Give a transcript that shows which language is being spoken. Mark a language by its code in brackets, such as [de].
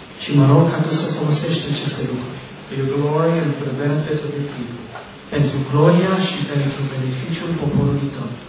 [ro] Și mă rog ca tu să folosești aceste lucruri. [en] For your glory and for the benefit of your people. [ro] Pentru gloria și pentru beneficiul poporului tău.